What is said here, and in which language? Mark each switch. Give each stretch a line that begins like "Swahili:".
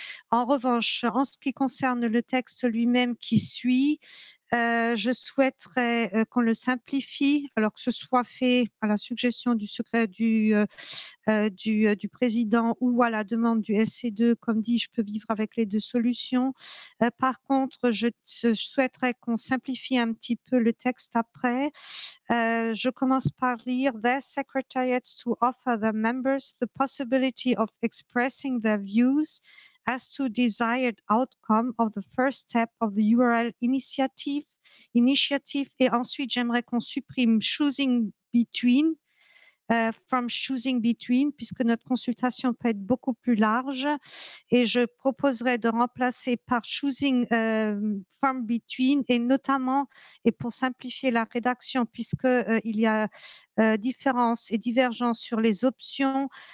French: En revanche, en ce qui concerne le texte lui-même qui suit, je souhaiterais qu'on le simplifie, alors que ce soit fait à la suggestion du secret du président ou à la demande du SC2. Comme dit, je peux vivre avec les deux solutions. Par contre, je souhaiterais qu'on simplifie un petit peu le texte après. Je commence par lire:
English: Their secretariats to offer their members the possibility of expressing their views as to desired outcome of the first step of the URL initiative.
French: Et ensuite, j'aimerais qu'on supprime
English: choosing between, from choosing between,
French: puisque notre consultation peut être beaucoup plus large. Et je proposerais de remplacer par
English: choosing from between,
French: et notamment, et pour simplifier la rédaction, puisque il y a différences et divergences sur les options.